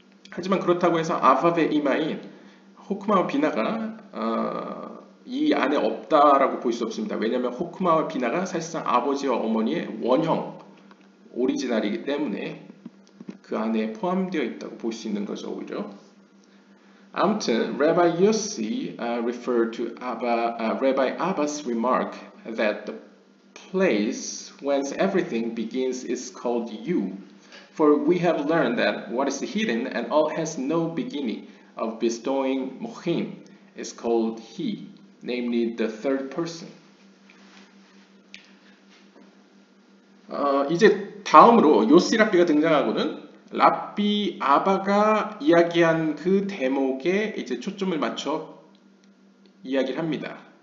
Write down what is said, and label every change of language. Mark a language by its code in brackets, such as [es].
[ko] 하지만 그렇다고 해서 아바베 이마인 호크마와 비나가 이 안에 없다라고 볼 수 없습니다. 왜냐하면 호크마와 비나가 사실상 아버지와 어머니의 원형 오리지널이기 때문에 그 안에 포함되어 있다고 볼 수 있는 거죠. 오히려 아무튼 [en] Rabbi Yossi referred to Rabbi Abba's remark that the place whence everything begins is called you. For we have learned that what is hidden and all has no beginning of bestowing mohim is called he, namely the third person. [ko] 이제 다음으로 요시 랍비가 등장하고는 랍비 아바가 이야기한 그 대목에 이제 초점을 맞춰 이야기를 합니다.